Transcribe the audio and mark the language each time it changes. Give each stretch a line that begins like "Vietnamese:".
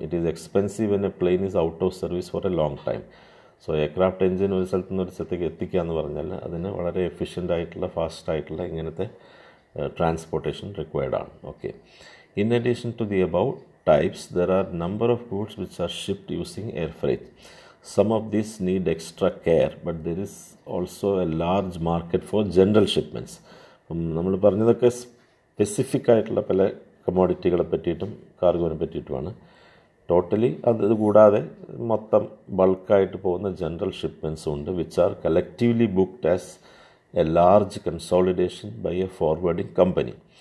English: It is expensive and a plane is out of service for a long time.
Malayalam: So aircraft engine ഒരു സ്ഥലത്ത് നിന്ന് ഒരു സ്ഥലത്തേക്ക് എത്തിക്കുക എന്ന് പറഞ്ഞാൽ അതിന് വളരെ എഫിഷ്യൻ്റ് ആയിട്ടുള്ള, ഫാസ്റ്റ് ആയിട്ടുള്ള ഇങ്ങനത്തെ ട്രാൻസ്പോർട്ടേഷൻ റിക്വയർഡ് ആണ്.
English: Okay, in addition to the above types there are number of goods which are shift using air freight. Some of these need extra care, but there is also a large market for general shipments.
Malayalam: നമ്മൾ പറഞ്ഞതൊക്കെ specific ആയിട്ടുള്ള പല കമോഡിറ്റികളെ പറ്റിയിട്ടും കാർഗോനെ പറ്റിയിട്ടുമാണ്.
English: totally
Malayalam: അത് കൂടാതെ മൊത്തം ബൾക്കായിട്ട് പോകുന്ന ജനറൽ ഷിപ്മെൻസും ഉണ്ട്,
English: Which are collectively booked as a large consolidation by a forwarding company.